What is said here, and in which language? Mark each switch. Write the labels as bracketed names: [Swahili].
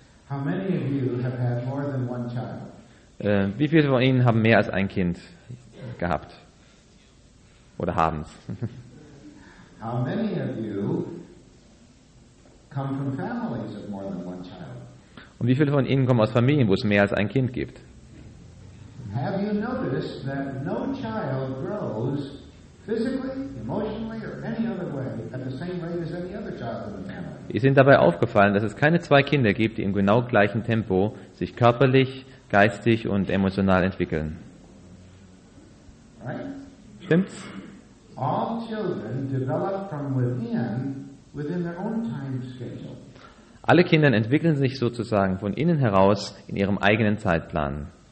[English] How many of you have had more than one child? [German] Wie viele von Ihnen haben mehr als ein Kind gehabt? oder haben es. [English] How many of you come from families of more than one child? [German] Und wie viele von Ihnen kommen aus Familien, wo es mehr als ein Kind gibt? [English] Have you noticed that no child grows physically, emotionally or any other way at the same rate as any other child in the family? [German] Ist Ihnen dabei aufgefallen, dass es keine zwei Kinder gibt, die im genau gleichen Tempo sich körperlich, geistig und emotional entwickeln? [English] Right? [German] Stimmt's? [English] All children develop from within their own time schedule. [German] Alle Kinder entwickeln sich sozusagen von innen heraus in ihrem eigenen Zeitplan.